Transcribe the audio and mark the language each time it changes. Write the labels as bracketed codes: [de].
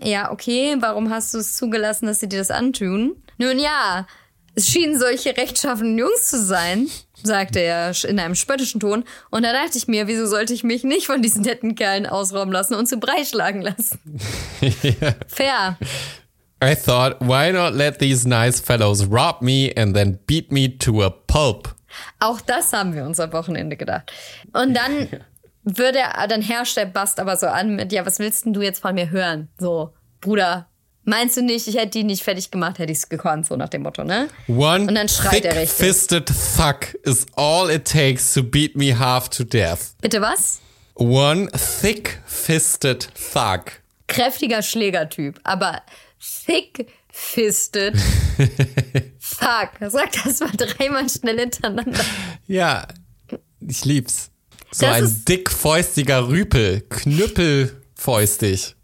[de] Ja, okay, warum hast du es zugelassen, dass sie dir das antun? Nun ja, es schienen solche rechtschaffenen Jungs zu sein, sagte er in einem spöttischen Ton. Und da dachte ich mir, wieso sollte ich mich nicht von diesen netten Kerlen ausrauben lassen und zu Brei schlagen lassen? [en] Yeah. Fair. I thought, why not let these nice fellows rob me and then beat me to a pulp? [de] Auch das haben wir uns am Wochenende gedacht. Und dann dann herrscht der Bast aber so an mit, ja, was willst denn du jetzt von mir hören? So, Bruder, meinst du nicht, ich hätte die nicht fertig gemacht, hätte ich es gekonnt, so nach dem Motto, ne? One Und dann schreit er richtig. [en] Thick-fisted thug is all it takes to beat me half to death. [de] Bitte was? [en] One thick-fisted thug. [de] Kräftiger Schlägertyp, aber [en] thick-fisted thug. [de] Sag das mal dreimal schnell hintereinander. Ja, ich lieb's. So das ein dickfäustiger Rüpel, knüppelfäustig.